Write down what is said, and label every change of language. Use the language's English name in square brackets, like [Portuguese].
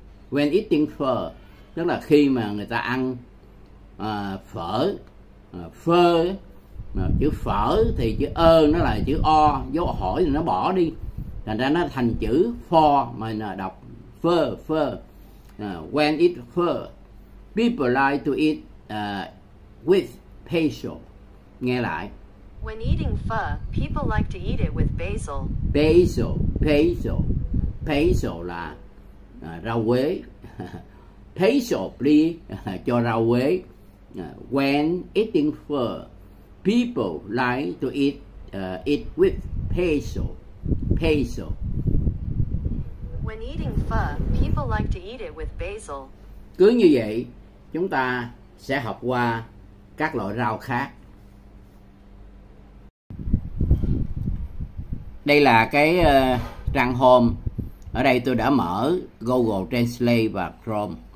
[English] When eating pho, [Vietnamese] tức là khi mà người ta ăn phở. Phơ, chữ phở thì chữ ơ nó là chữ o, dấu hỏi thì nó bỏ đi, thành ra nó thành chữ pho, mình đọc phơ, phơ. [English] When it pho, people like to eat with basil. [Vietnamese] Nghe lại. [English] When eating pho, people like to eat it with basil. [Vietnamese] Basil là rau quế. [English] Basil, please, [Vietnamese] cho rau quế. [English] When eating pho, people like to eat it with basil. Basil. When eating pho, people like to eat it with basil. [Vietnamese] Cứ như vậy, chúng ta sẽ học qua các loại rau khác. Đây là cái trang home. Ở đây tôi đã mở Google Translate và Chrome.